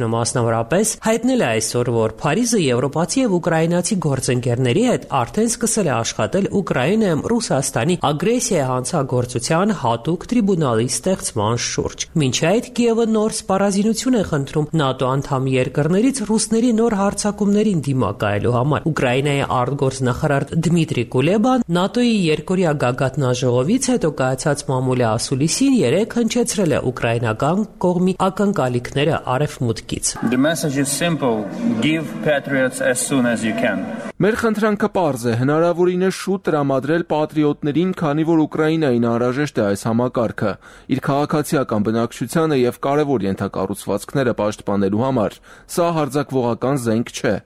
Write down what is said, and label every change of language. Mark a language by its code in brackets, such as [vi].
[hy] մասնավորապես հայտնել է այսօր, որ Փարիզը եվրոպացի եւ ուկրաինացի գործընկերների հետ արդեն սկսել է աշխատել Ուկրաինայում Ռուսաստանի ագրեսիայի հանցագործության հատուկ տրիբունալի ստեղծման շուրջ։ Մինչ այդ Կիևը նոր սպառազինություն է խնդրում ՆԱՏՕ անդամ երկրներից ռուսների նոր հարձակումներին դիմակայելու համար։ Ուկրաինայի արտգործնախարար Դմիտրի Կուլեբան ՆԱՏՕ-ի երկորդ գագաթնաժողովից հետո կայացած մամուլի ասուլիսին 3 հնչեցրել է ուկրաինական կողմի ակնկալիքները արևմուտքից։ [en] The message is simple. Give patriots as soon as you can. [hy] Մեր խնդրանքը պարզ է, հնարավորինս շուտ տրամադրել պատրիոտներին, քանի որ Ուկրաինային անհրաժեշտ է այս համակարգը իր քաղաքացիական բնակչությանը եւ կարեւոր ենթակառուցվածքները պաշտպանելու համար։ Սա հարձակվողական զենք չէ։